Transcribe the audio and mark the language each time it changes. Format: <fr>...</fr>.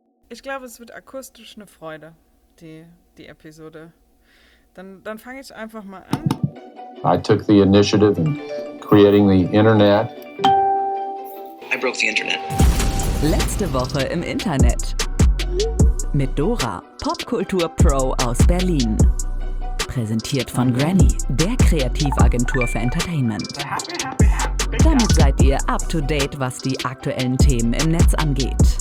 <de>Ich glaube, es wird akustisch eine Freude, die Episode. Dann fange ich einfach mal an.</de> <en>I took the initiative in creating the internet. I broke the internet.</en> <de>Letzte Woche im Internet. Mit Dora, Popkultur-Pro aus Berlin. Präsentiert von Granny, der Kreativagentur für Entertainment. Damit seid ihr up to date, was die aktuellen Themen im Netz angeht.</de>